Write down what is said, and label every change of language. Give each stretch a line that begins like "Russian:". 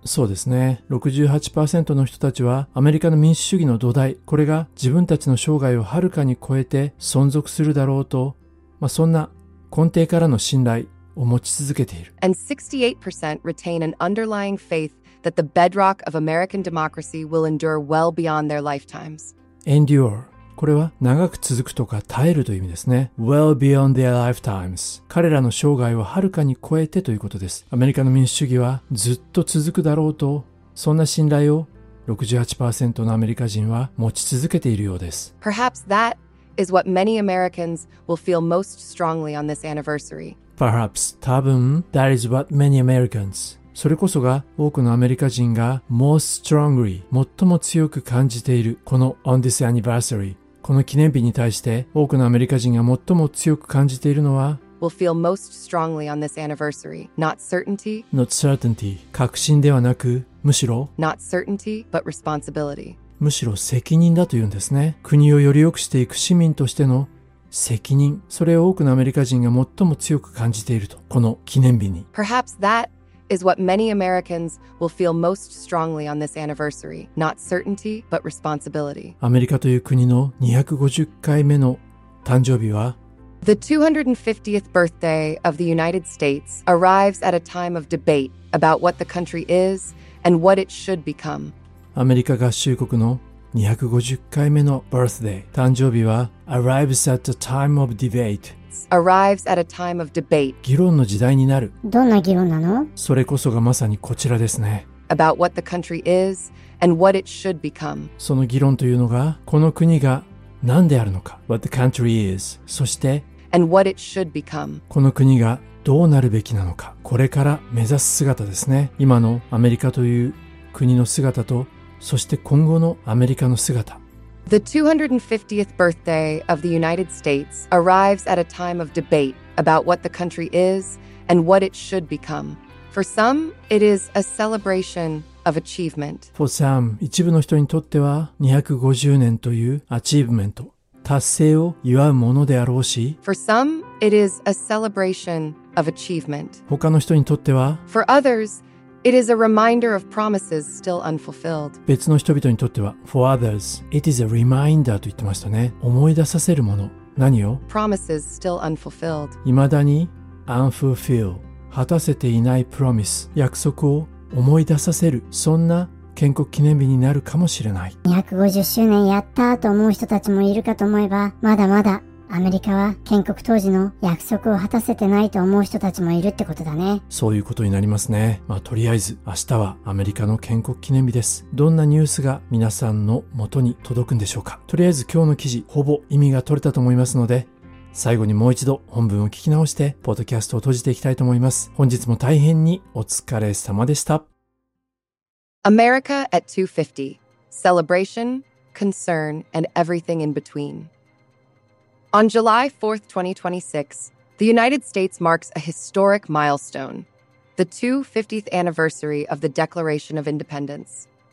Japanese: そうですね。 68% の人たちは、アメリカの民主主義の土台、これが自分たちの生涯をはるかに超えて存続するだろうと、まあ、そんな根底からの信頼を持ち続けている。
English: And 68% retain an underlying faith that the bedrock of American democracy will endure well beyond their lifetimes. Endure.
Japanese: これは長く続くとか耐えるという意味ですね。
English: Well beyond their lifetimes.
Japanese: 彼らの生涯をはるかに超えてということです。アメリカの民主主義はずっと続くだろうと、そんな信頼を 68% のアメリカ人は持ち続けているようです。
English: Perhaps that is what many Americans will feel most strongly on this anniversary. Perhaps,
Japanese: 多分、
English: that is what many Americans.
Japanese: それこそが多くのアメリカ人が
English: most strongly
Japanese: 最も強く感じているこの
English: on this anniversary
Japanese: この記念日に対して多くのアメリカ人が最も強く感じているのは
English: will feel most strongly on this anniversary not certainty not certainty
Japanese: 確信ではなくむしろ
English: not certainty but responsibility
Japanese: むしろ責任だというんですね国をより良くしていく市民としての責任それを多くのアメリカ人が最も強く感じているとこの記念日に
English: perhaps thatis what many Americans will feel most strongly on this anniversary, not certainty, but responsibility.
Japanese: アメリカという国の250回目の誕生日は
English: The 250th birthday of the United States arrives at a time of debate about what the country is and what it should become.
Japanese: アメリカ合衆国の250回目の
English: birthday
Japanese: 誕生日は
English: arrives at a time of debate. Arrives at a time of debate.
Japanese: 議論の時代になる。どんな議論なの? それこそがまさにこちらですね。
English: About what the country is and what it should become.
Japanese: その議論というのが、この国が何であるのか。
English: What the country is.
Japanese: そして、
English: And what it should become.
Japanese: この国がどうなるべきなのか。これから目指す姿ですね。今のアメリカという国の姿と、そして今後のアメリカの姿。
English: The 250th birthday of the United States arrives at a time of debate about what the country is and what it should become. For some, it is a celebration of achievement. For some,
Japanese: 一部の人にとっては250年という
English: achievement、
Japanese: 達成を祝うものであろうし。
English: For some, it is a celebration of achievement.
Japanese: 他の人にとっては。
English: For others,It is a reminder of promises still unfulfilled.
Japanese: 別の人々にとっては
English: For others, it is a reminder
Japanese: と言ってましたね。思い出させるもの。何を?
English: Promises still unfulfilled.
Japanese: 未だに
English: unfulfilled.
Japanese: 果たせていない
English: promise.
Japanese: 約束を思い出させる。そんな建国記念日になるかもしれない。 250周年やったと思う人たちもいるかと思えば、まだまだ。アメリカは建国当時の約束を果たせてないと思う人たちもいるってことだね。そういうことになりますね。まあとりあえず明日はアメリカの建国記念日です。どんなニュースが皆さんの元に届くんでしょうか。とりあえず今日の記事ほぼ意味が取れたと思いますので、最後にもう一度本文を聞き直してポッドキャストを閉じていきたいと思います。本日も大変にお疲れ様でした。
English: America at 250. Celebration, concern, and everything in between. On July 4, 2026, the United States marks a historic milestone, the 250th anniversary of the Declaration of Independence.